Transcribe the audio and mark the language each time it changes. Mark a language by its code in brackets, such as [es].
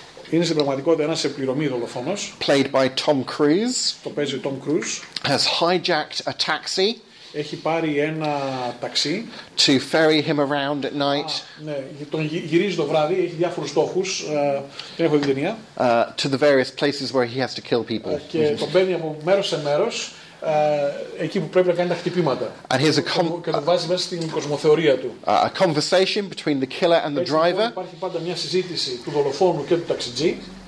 [el] είναι στην πραγματικότητα ένας επιπληρωμή δολοφόνος, [en] played by Tom Cruise, [el] το παίζει ο Tom Cruise, [en] has hijacked a taxi, [el] έχει πάρει ένα ταξί, [en] to ferry him around at night, [el] ναι, τον γυρίζει το βράδυ, έχει διάφορους στόχους, την έχω δει την ταινία, [en] to the various places where he has to kill people, [el] και τον μπαίνει από μέρος σε μέρος, εκεί που πρέπει να κάνει τα χτυπήματα, [en] and has a [el] και τον βάζει μέσα στην κοσμοθεωρία του, [en] a conversation between the killer and the driver, [el] υπάρχει πάντα μια συζήτηση του δολοφόνου και του ταξιτζή,